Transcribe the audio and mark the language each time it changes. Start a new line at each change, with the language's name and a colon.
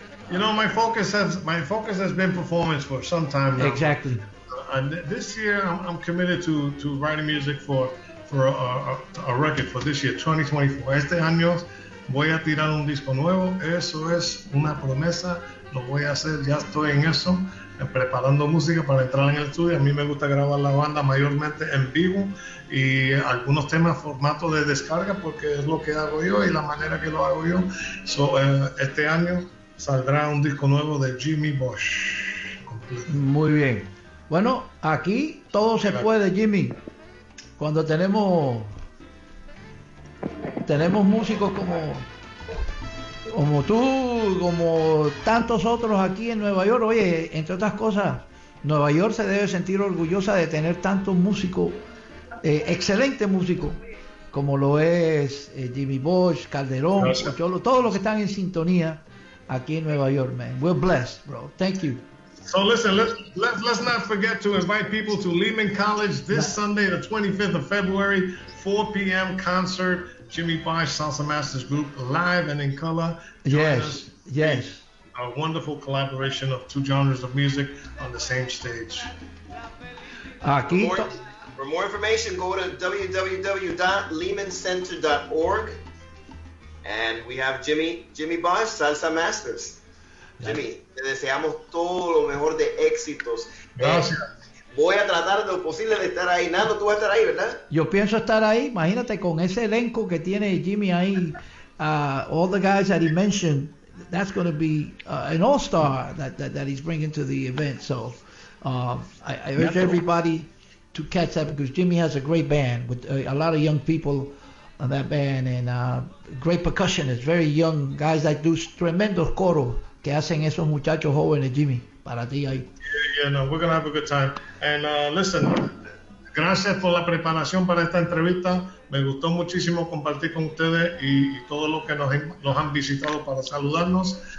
English: You know, my focus has been performance for some time now. Exactly. And this year, I'm committed to writing music for a record for this year, 2024.
Spanish: Este año voy a tirar un disco nuevo, eso es una promesa, lo voy a hacer, ya estoy en eso, preparando música para entrar en el estudio. A mí me gusta grabar la banda mayormente en vivo y algunos temas formato de descarga, porque es lo que hago yo y la manera que lo hago yo. So, este año saldrá un disco nuevo de Jimmy Bosch completo. Muy bien, bueno, aquí todo se puede, Jimmy, cuando tenemos músicos como tú, como tantos otros aquí en Nueva York. Oye, entre otras cosas, Nueva York se debe sentir orgullosa de tener tantos músicos, excelente músico, como lo es Jimmy Bosch, Calderón, Cholo, todos los que están en sintonía aquí en Nueva York, man.
English: We're blessed, bro. Thank you. So listen, let's not forget to invite people to Lehman College this Sunday, the 25th of February, 4 p.m. concert. Jimmy Bosch, Salsa Masters Group, live and in color. Yes. A wonderful collaboration of two genres of music on the same stage.
Spanish: Aquí.
English: For more information, go to www.lehmancenter.org. And we have Jimmy Bosch, Salsa Masters.
Spanish: Jimmy, te deseamos todo lo mejor de éxitos. Gracias. Voy a tratar de lo posible de estar ahí. Nando, tú vas a estar ahí, ¿verdad? Yo pienso estar ahí. Imagínate con ese elenco que tiene Jimmy ahí.
English: All the guys that he mentioned, that's going to be an all-star that he's bringing to the event. So I urge everybody to catch that, because Jimmy has a great band with a lot of young people on that band, and great percussionists, very young guys that do
Spanish: tremendos coros que hacen esos muchachos jóvenes, Jimmy. Para ti ahí.
English: Yeah, no, we're going to have a good time. And listen,
Spanish: gracias por la preparación para esta entrevista. Me gustó muchísimo compartir con ustedes y todos los que nos han visitado para saludarnos.